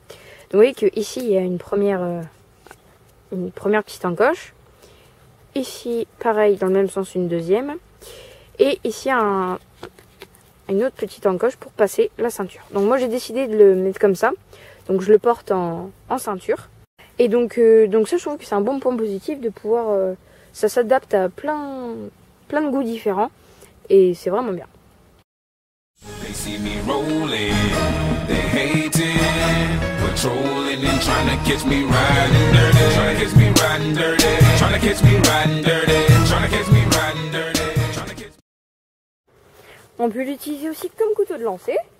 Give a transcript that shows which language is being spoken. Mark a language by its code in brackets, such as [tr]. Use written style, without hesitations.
[fr] Donc, vous voyez que ici il y a une première petite encoche, ici pareil dans le même sens une deuxième, et ici une autre petite encoche pour passer la ceinture. Donc moi j'ai décidé de le mettre comme ça, donc je le porte en ceinture. Et donc ça je trouve que c'est un bon point positif de pouvoir, ça s'adapte à plein de goûts différents et c'est vraiment bien. [en] They see me rolling, they hating, patrolling and trying to catch me riding dirty, trying to catch me riding dirty, trying to catch me riding dirty, trying to catch me riding dirty, trying to catch. [fr] On peut l'utiliser aussi comme couteau de lancer.